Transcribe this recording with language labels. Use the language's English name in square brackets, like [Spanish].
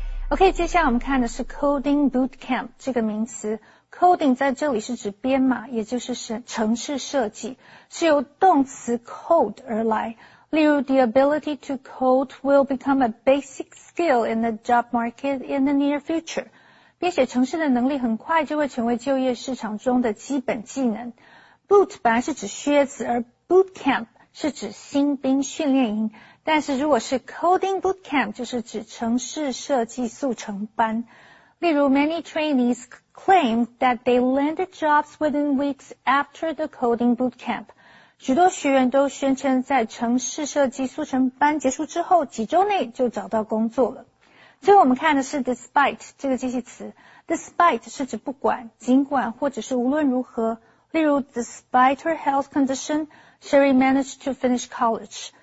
[Chinese] OK, 接下来我们看的是 coding bootcamp 这个名词。 coding 在这里是指编码，也就是程式设计，是由动词 code 而来。例如 [English] the ability to code will become a basic skill in the job market in the near future. [Chinese] 编写程式的能力很快就会成为就业市场中的基本技能。 boot 本来是指靴子，而 bootcamp 是指新兵训练营。但是如果是 coding bootcamp, 就是指程式设计速成班。例如 [English] many trainees claim that they landed jobs within weeks after the coding bootcamp. [Chinese] 许多学员都宣称在程式设计速成班结束之后几周内就找到工作了。最后我们看的是 despite 这个机器词。despite 是指不管、尽管或者是无论如何。例如 [English] despite her health condition, Sherry managed to finish college.